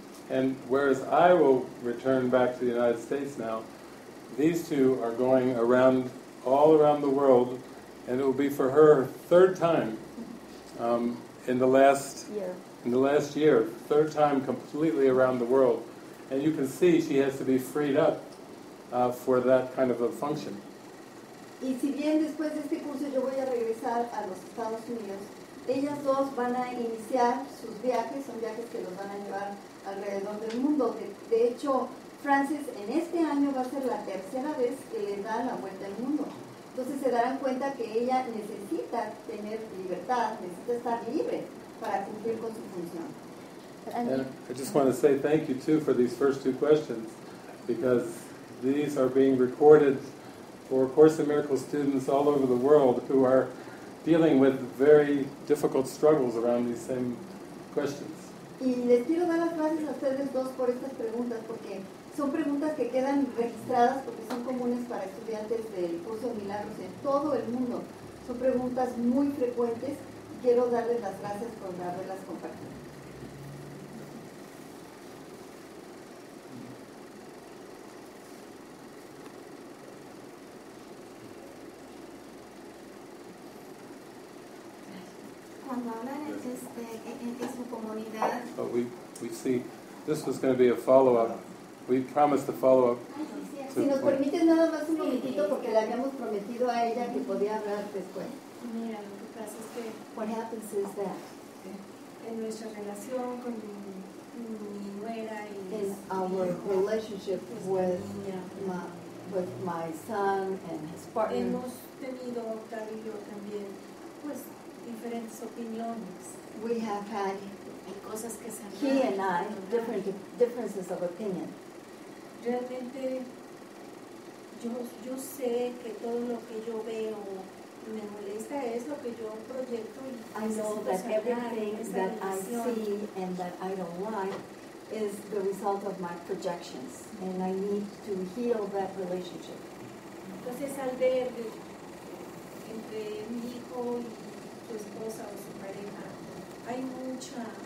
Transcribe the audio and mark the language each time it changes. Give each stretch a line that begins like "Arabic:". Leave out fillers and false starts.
English: And whereas I will return back to the United States now, these two are going around all around the world, and it will be for her third time in the last year, third time completely around the world. And you can see she has to be freed up for that kind of a function.
Spanish: Y si bien después de este curso yo voy a regresar a los Estados Unidos, ellas dos van a iniciar sus viajes, son viajes que los van a llevar alrededor del mundo. De hecho, Frances en este año va a ser la tercera vez que les da la vuelta al mundo. Entonces se darán cuenta que ella necesita tener libertad, necesita estar libre para cumplir con su función.
English: And I just want to say thank you too for these first two questions, because these are being recorded for Course in Miracles students all over the world who are dealing with very difficult struggles around these same questions.
Spanish: Y les quiero dar las gracias a ustedes dos por estas preguntas, porque son preguntas que quedan registradas porque son comunes para estudiantes del curso de milagros en todo el mundo. Son preguntas muy frecuentes y quiero darles las gracias por haberlas compartido.
English: Oh, we see. This was going to be a follow-up. We promised a follow-up.
Spanish: Si nos permite nada más un momentito, porque le habíamos prometido a ella que podía hablar después. Mira, lo que pasa es que
English: what happens is that
Spanish: en nuestra relación con mi nuera y
English: in our relationship with my son and his partner,
Spanish: hemos tenido Octavio y yo también pues diferentes opiniones.
English: We have had
Spanish: cosas que se
English: he and I differences of opinion.
Spanish: Realmente yo sé que todo lo que yo veo me molesta es lo que yo proyecto y
English: I know that everything that I see and that I don't like is the result of my projections, and I need to heal that relationship.
Spanish: Entonces al ver entre mi hijo y tu esposa o su pareja hay mucha